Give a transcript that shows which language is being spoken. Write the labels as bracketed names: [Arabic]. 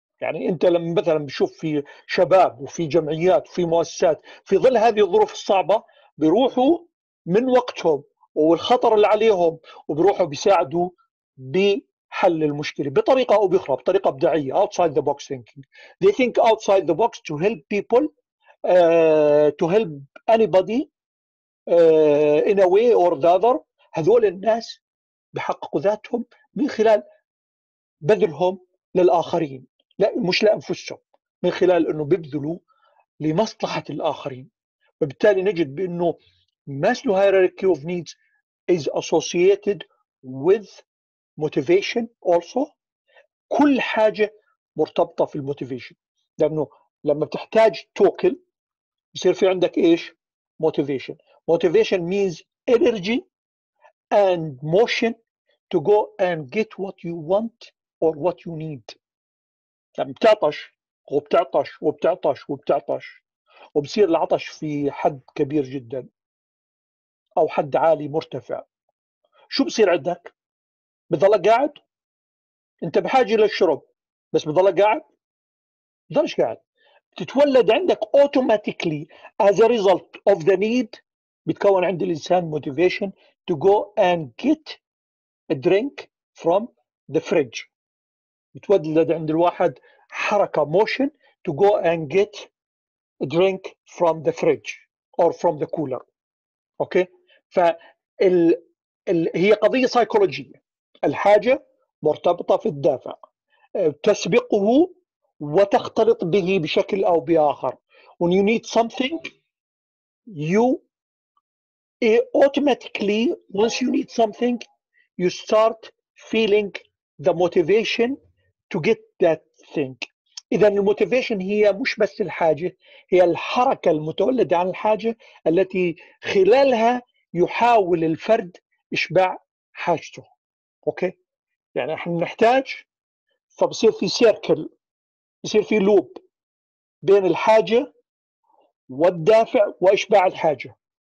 [Arabic] يعني أنت لما مثلا بشوف في شباب وفي جمعيات وفي مؤسسات في ظل هذه الظروف الصعبة بيروحوا من وقتهم والخطر اللي عليهم وبيروحوا بيساعدوا بحل المشكلة بطريقة أو بأخرى، بطريقة إبداعية [English] outside the box thinking. They think outside the box to help people to help anybody in a way or the other. [Arabic] هذول الناس بيحققوا ذاتهم من خلال بذلهم للآخرين، لا مش لأنفسهم، من خلال أنه بيبذلوا لمصلحة الآخرين. وبالتالي نجد بأنه [English] Maslow hierarchy of needs is associated with motivation also. [Arabic] كل حاجة مرتبطة في الموتيفيشن، لأنه لما بتحتاج توكل يصير في عندك إيش؟ motivation. [English] motivation means energy and motion to go and get what you want or what you need. [Arabic] لما بتعطش وبتعطش وبتعطش وبتعطش وبصير العطش في حد كبير جدا أو حد عالي مرتفع، شو بصير عندك؟ بضل قاعد؟ أنت بحاجة للشرب بس بضل قاعد؟ بضلش قاعد، تتولد عندك [English] automatically as a result of the need. [Arabic] بتكون عند الإنسان [English] motivation to go and get a drink from the fridge. [Arabic] بتولد عند الواحد حركة [English] motion to go and get a drink from the fridge or from the cooler. [Arabic] أوكي؟ هي قضية سايكولوجية، الحاجة مرتبطة في الدافع تسبقه وتختلط به بشكل أو بآخر. [English] When you need something you automatically, once you need something you start feeling the motivation to get that thing. [Arabic] إذا الموتيفيشن هي مش بس الحاجة، هي الحركة المتولدة عن الحاجة التي خلالها يحاول الفرد إشباع حاجته. أوكي؟ يعني إحنا نحتاج، فبصير في سيركل، بصير في لوب بين الحاجة والدافع وإشباع الحاجة.